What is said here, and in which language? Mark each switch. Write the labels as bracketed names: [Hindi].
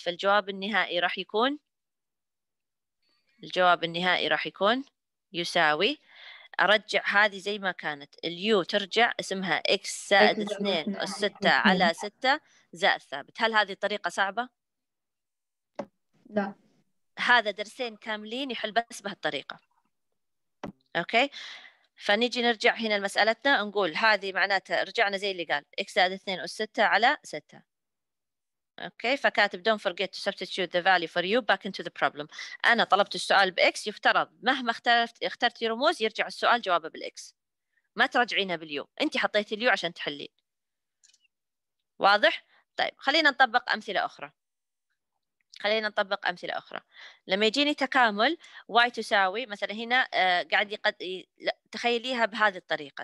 [Arabic] فالجواب النهائي راح يكون، الجواب النهائي راح يكون يساوي، أرجع هذه زي ما كانت، اليو ترجع اسمها x زائد 2 أس 6 على 6 زائد ثابت. هل هذه طريقة صعبة؟ لا. هذا درسين كاملين يحل بس بهالطريقة. أوكي؟ فنيجي نرجع هنا لمسألتنا، نقول هذه معناتها رجعنا زي اللي قال، x زائد 2 أس 6 على 6. أوكي؟ فكاتب [English] don't forget to substitute the value for u back into the problem. [Arabic] أنا طلبت السؤال بx، يفترض مهما اخترتي رموز يرجع السؤال جوابه بالx، ما ترجعينها باليو، أنت حطيتي اليو عشان تحلين. واضح؟ طيب خلينا نطبق أمثلة أخرى، خلينا نطبق أمثلة أخرى. لما يجيني تكامل y تساوي مثلا هنا قاعد تخيليها بهذه الطريقة.